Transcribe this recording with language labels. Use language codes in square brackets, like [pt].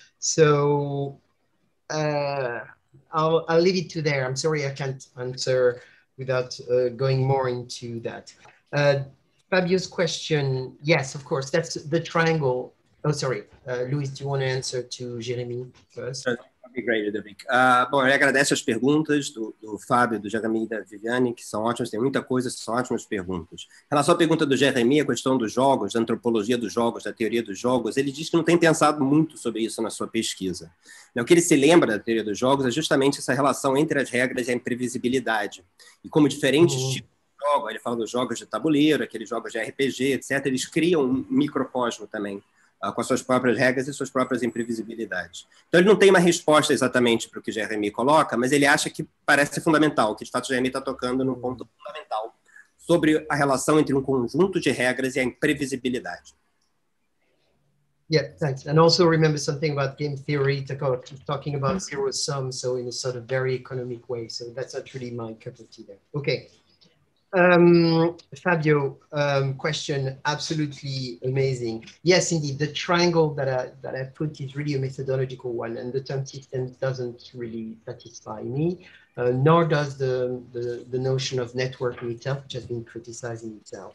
[en] So I'll leave it to there. I'm sorry I can't answer without going more into that. Fabio's question, yes, of course, that's the triangle. Oh, sorry, Luis, do you want to answer to Jeremy first? That'd be great, Ludovic. [pt] Bom, eu agradeço as perguntas do Fábio, do Jeremy e da Viviane, que são ótimas, tem muita coisa, são ótimas perguntas. Em relação à pergunta do Jeremy, a questão dos jogos, da antropologia dos jogos, da teoria dos jogos, ele diz que não tem pensado muito sobre isso na sua pesquisa. O que ele se lembra da teoria dos jogos é justamente essa relação entre as regras e a imprevisibilidade. E como diferentes tipos de jogo, ele fala dos jogos de tabuleiro, aqueles jogos de RPG, etc., eles criam um microcosmo também, com as suas próprias regras e suas próprias imprevisibilidades. Então, ele não tem uma resposta exatamente para o que o Jeremy coloca, mas ele acha que parece fundamental, que, de fato, o Jeremy está tocando num ponto fundamental sobre a relação entre um conjunto de regras e a imprevisibilidade. [en] Yeah, thanks. And also remember something about game theory, talking about zero sum, so in a sort of very economic way. So that's not really my cup of tea there. Okay. Fabio, question, absolutely amazing. Yes, indeed, the triangle that I put is really a methodological one, and the term system doesn't really satisfy me, nor does the notion of networking itself, which has been criticizing itself.